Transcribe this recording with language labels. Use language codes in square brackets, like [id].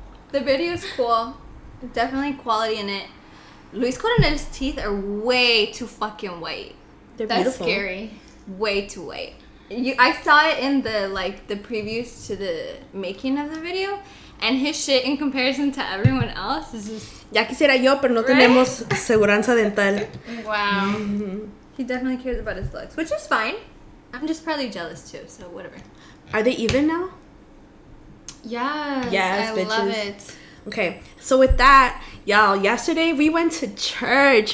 [en] The video is cool. Definitely quality in it. Luis Coronel's teeth are way too fucking white. They're beautiful. That's scary. Way too white. I saw it in the, like, the previews to the making of the video, and his shit in comparison to everyone else is just... [es] Ya quisiera yo, pero no tenemos seguranza dental. [en] Wow. He definitely cares about his looks, which is fine. I'm just probably jealous, too, so whatever. Are they even now? Yes, I bitches. Love it. Okay, so with that, y'all, yesterday we went to church.